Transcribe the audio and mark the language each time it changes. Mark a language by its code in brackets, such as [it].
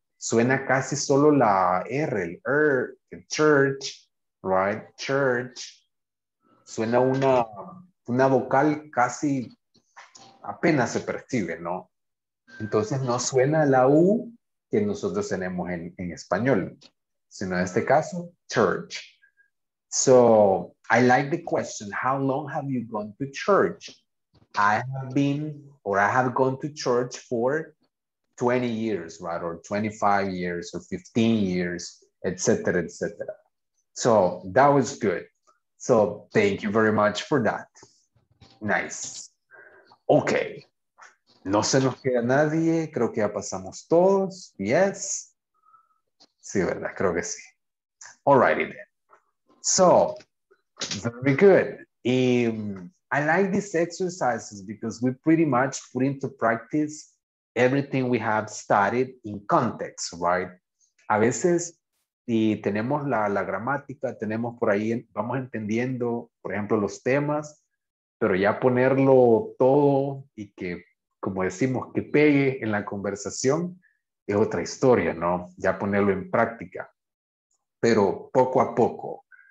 [es] Suena casi solo la R, el R, [en] church, right, church. [es] Suena una vocal casi apenas se percibe, ¿no? Entonces no suena la U que nosotros tenemos en español, sino en este caso, church. [en] So, I like the question, how long have you gone to church? I have been, or I have gone to church for 20 years, right? Or 25 years, or 15 years, etc., etc. So, that was good. So, thank you very much for that. Nice. Okay. [es] No se nos queda nadie, creo que ya pasamos todos. [en] Yes. [es] Sí, ¿verdad? Creo que sí. [en] Alrighty then. So, very good. I like these exercises because we pretty much put into practice everything we have studied in context, right? [es] A veces, y tenemos la gramática, tenemos por ahí, vamos entendiendo, por ejemplo, los temas, pero ya ponerlo todo y que, como decimos, que pegue en la conversación, es otra historia, ¿no? Ya ponerlo en práctica. Pero poco a poco.